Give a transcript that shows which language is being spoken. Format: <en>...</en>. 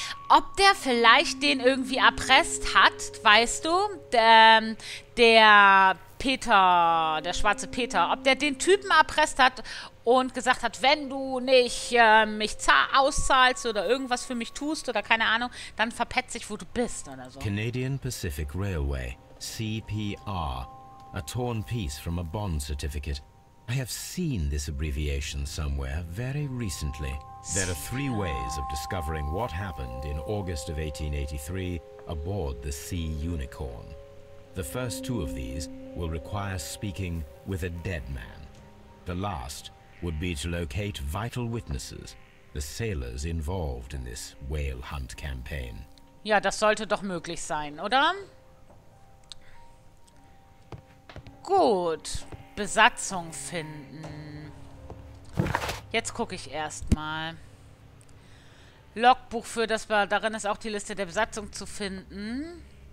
<de>Ob der vielleicht den irgendwie erpresst hat, weißt du, der Peter, der schwarze Peter, ob der den Typen erpresst hat und gesagt hat, wenn du nicht mich auszahlst oder irgendwas für mich tust oder keine Ahnung, dann verpetze ich, wo du bist oder so.</de> <en>Canadian Pacific Railway, CPR, a torn piece from a bond certificate. I have seen this abbreviation somewhere very recently. There are three ways of discovering what happened in August of 1883 aboard the Sea Unicorn. The first two of these will require speaking with a dead man. The last would be to locate vital witnesses, the sailors involved in this whale hunt campaign.</en> <de>Ja, das sollte doch möglich sein, oder? Gut. Besatzung finden. Jetzt gucke ich erstmal. Logbuch für das war. Darin ist auch die Liste der Besatzung zu finden.</de>